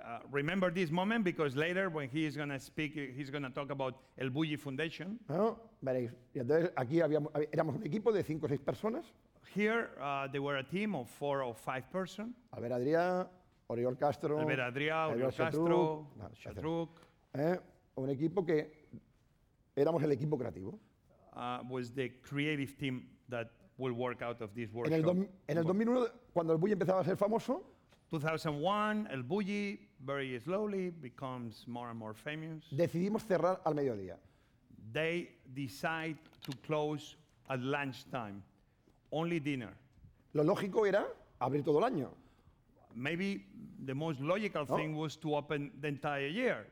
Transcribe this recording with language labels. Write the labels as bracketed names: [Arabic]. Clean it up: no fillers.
[English] Remember this moment because later when he is going to speak, he's going to talk about El Bulli Foundation. [Spanish] Veréis. Y entonces aquí éramos un equipo de 5 o 6 personas. [English] Here there were a team of 4 or 5 persons. [Spanish] Albert Adrià, Oriol Castro, Chatruc. Un equipo que éramos el equipo creativo. [English] Was the creative team that will work out of this workshop. [Spanish] En el 2001, cuando el Bulli empezaba a ser famoso. [English] 2001, El Bulli very slowly becomes more and more famous. [Spanish] Decidimos cerrar al mediodía. [English] They decide to close at lunchtime, only dinner. [Spanish] Lo lógico era abrir todo el año. [English] Maybe the most logical thing was to open the entire year.